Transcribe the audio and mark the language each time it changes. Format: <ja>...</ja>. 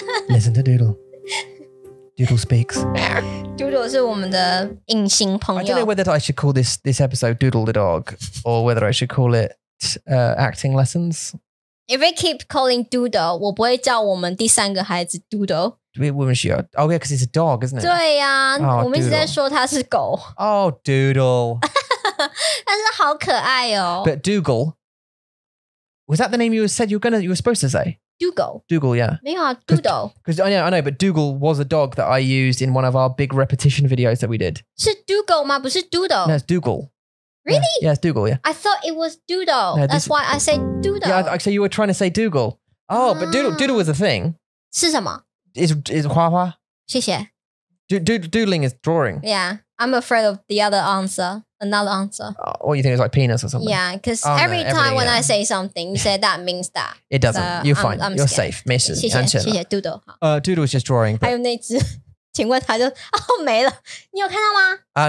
<en>Listen to Doodle。 Doodle speaks.</en> <zh>Doodle 是我们的隐形朋友。</zh> <en>I don't know whether I should call this episode Doodle the dog, or whether I should call it acting lessons. If we keep calling Doodle,</en> <zh>我不会叫我们第三个孩子 Doodle. 我们需要</zh> <en>Oh yeah, because it's a dog, isn't it?</en> <zh>对呀、啊 oh, 我们一直在说它是狗</zh> <en>Oh, Doodle</en> <zh>但是好可爱哦</zh> <en>But Dougal Was that the name you said you were supposed to say? Dougal, yeah</en> <zh>没有啊 Doodle</zh> <en>Because I know, but Dougal was a dog that I used in one of our big repetition videos that we did</en> <zh>是 Dougal 吗不是 Doodle</zh> <en>No, it's Dougal Really? Yeah, it's Dougal, yeah I thought it was Doodle no, That's why I said Doodle Yeah, so you were trying to say Dougal Oh,、but Doodle was a thing</en> <zh>是什么</zh> <en>Is Hua Hua?</en> <zh>谢谢</zh> <en>Doodling is drawing. Yeah, I'm afraid of the other answer. Another answer. Or you think it's like penis or something. Yeah, because every time when I say something, you say that means that. It doesn't. So, you're fine. You're safe.</en> <zh>没事谢谢谢谢 Doodle.</zh> <en>Doodle is just drawing.</en> <zh>还有那只请问他就哦没了你有看到吗</zh>